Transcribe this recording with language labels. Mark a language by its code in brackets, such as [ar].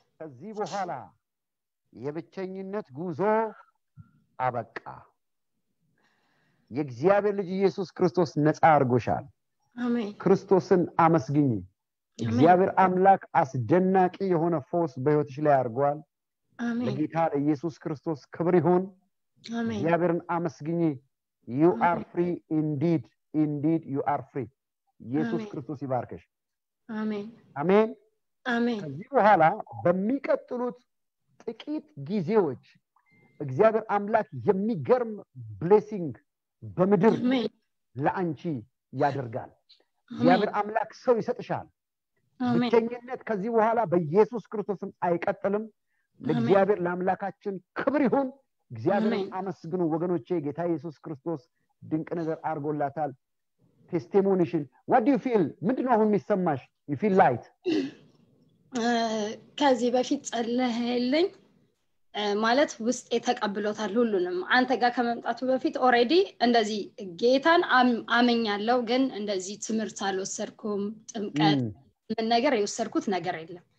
[am] ከዚህ በኋላ የብቸኝነት ጉዞ አበቃ የእግዚአብሔር ልጅ ኢየሱስ ክርስቶስ ነጻ አርጎሻል አሜን ክርስቶስን አመስግኚ እግዚአብሔር አምላክ አስደናቂ የሆነ ፎስ በህይወትሽ ላይ አርጓል አሜን ለጌታ ለኢየሱስ ክርስቶስ ክብር ይሁን አሜን እግዚአብሔርን አመስግኚ [en] You Amen. Are free indeed. Indeed, you are free. Jesus Christ is your Lord. Amen. Amen. Amen. You are free. You are free. You are free. You are free. You are free. Blessing. Amen. You are free. Amen. You are free. Amen. Amen. You are free. Amen. You are free. Amen. By Jesus Christ is your Lord. Amen. You are free. Amen. You are free. [am] እግዚአብሔር አመስግኑ ወገኖቼ ጌታ ኢየሱስ ክርስቶስ ድንቅ ነገር አርጎላታል ቴስቲሞኒሽን [en] what do you feel [am] ምንድነው አሁን የሚሰማሽ [en] you feel light [am] ከዚህ በፊት ጸለየልኝ ማለት ውስጥ የተቀበለታል ሁሉንም አንተ ጋር ከመምጣቱ በፊት ኦሬዲ እንደዚህ ጌታን አመኛለሁ ግን እንደዚህ ትምርት አልወሰድኩም ጥምቀት ምን ነገር የወሰድኩት ነገር የለም